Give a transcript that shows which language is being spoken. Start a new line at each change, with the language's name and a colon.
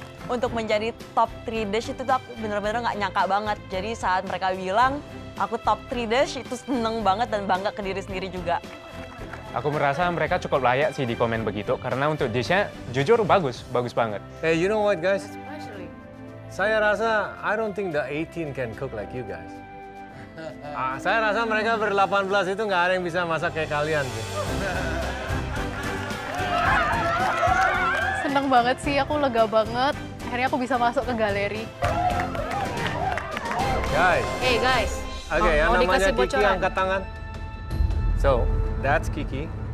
Indonesian: untuk menjadi top 3 dish itu tuh aku benar-benar nggak nyangka banget. Jadi saat mereka bilang aku top 3 dish itu seneng banget dan bangga ke diri sendiri juga. Aku merasa mereka cukup layak sih di komen begitu karena untuk dishnya jujur bagus, bagus banget.
English: Hey, you know what guys?
Indonesian: Saya rasa
English: I don't think the 18 can cook like you guys.
Indonesian: Saya rasa mereka ber-18 itu nggak ada yang bisa masak kayak kalian sih. Seneng banget sih, aku lega banget. Akhirnya aku bisa masuk ke galeri.
English: Guys. Hey guys.
Indonesian: Okay, yang namanya Kiki angkat tangan.
English: So, that's Kiki.